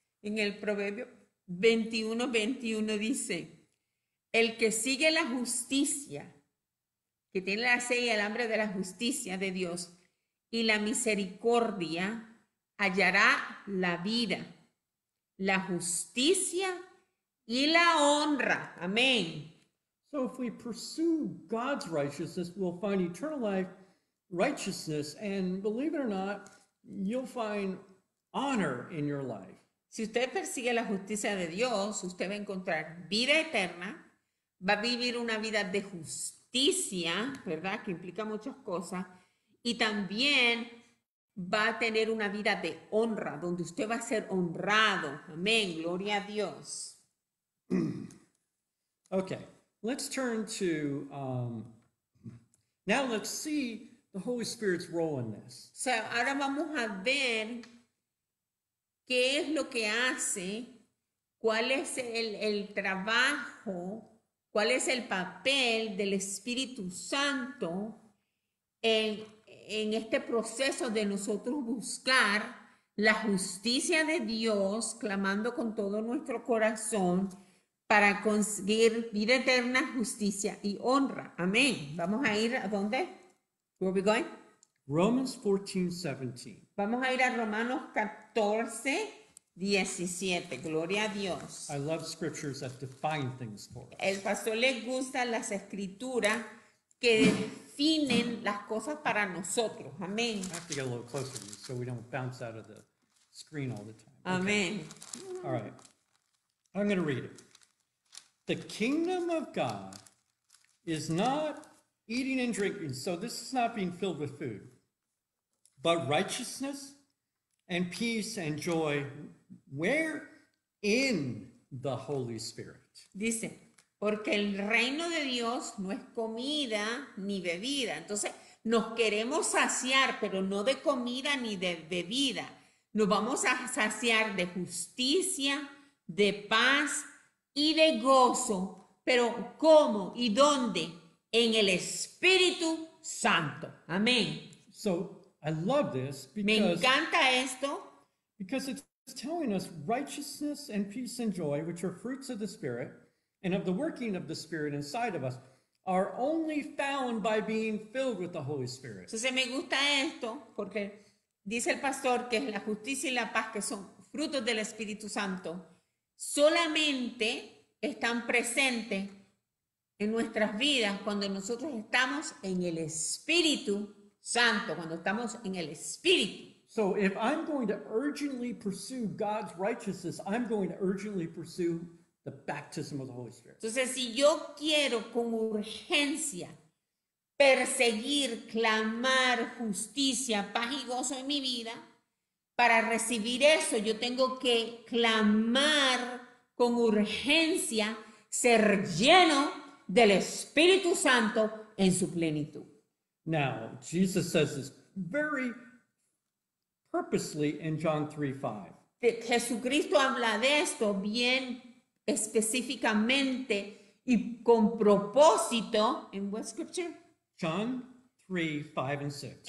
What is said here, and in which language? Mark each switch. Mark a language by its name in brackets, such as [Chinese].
[Spanish] En el Proverbio 21, 21 dice, el que sigue la justicia, que tiene la sed y el hambre de la justicia de Dios y la misericordia, hallará la vida, la justicia y la honra. Amén. [English] So if we pursue God's righteousness, we'll find eternal life, righteousness, and believe it or not, you'll find honor in your life. [Spanish] Si usted persigue la justicia de Dios, usted va a encontrar vida eterna, va a vivir una vida de justicia, ¿verdad? Que implica muchas cosas, y también va a tener una vida de honra, donde usted va a ser honrado. Amén. Gloria a Dios. [English] Okay, let's turn to, now let's see the Holy Spirit's role in this. [Spanish] So, ahora vamos a ver qué es lo que hace, cuál es el trabajo, ¿cuál es el papel del Espíritu Santo en este proceso de nosotros buscar la justicia de Dios, clamando con todo nuestro corazón para conseguir vida eterna, justicia y honra? Amén. ¿Vamos a ir a dónde? [English] Where are we going? Romans 14, 17. [Spanish] Vamos a ir a Romanos 14, 17. Gloria a Dios. [English] I love scriptures that define things for us. [Spanish] El pastor le gusta las escrituras que definen las cosas para nosotros. Amén. [English] I have to get a little closer to you so we don't bounce out of the screen all the time. [Spanish] Amén. [English] Okay. All right. I'm going to read it. The kingdom of God is not eating and drinking. So this is not being filled with food, but righteousness and peace and joy, where? In the Holy Spirit. [Spanish] Dice, porque el reino de Dios no es comida ni bebida. Entonces, nos queremos saciar, pero no de comida ni de bebida. Nos vamos a saciar de justicia, de paz y de gozo Pero ¿cómo y dónde? En el Espíritu Santo. Amén. [English] So, I love this because, [Spanish] me encanta esto. [English] Because it's telling us righteousness and peace and joy, which are fruits of the Spirit, and of the working of the Spirit inside of us, are only found by being filled with the Holy Spirit. [Spanish] Entonces me gusta esto porque dice el pastor que es la justicia y la paz que son frutos del Espíritu Santo. Solamente están presentes en nuestras vidas cuando nosotros estamos en el Espíritu Santo, cuando estamos en el Espíritu. [English] So if I'm going to urgently pursue God's righteousness, I'm going to urgently pursue the baptism of the Holy Spirit. [Spanish] Entonces, si yo quiero con urgencia perseguir, clamar justicia, paz y gozo en mi vida, para recibir eso, yo tengo que clamar con urgencia, ser lleno del Espíritu Santo en su plenitud. [English] Now, Jesus says this very purposely in John 3:5. [Spanish] Jesucristo habla de esto bien específicamente y con propósito en [English] what scripture? John 3:5-6.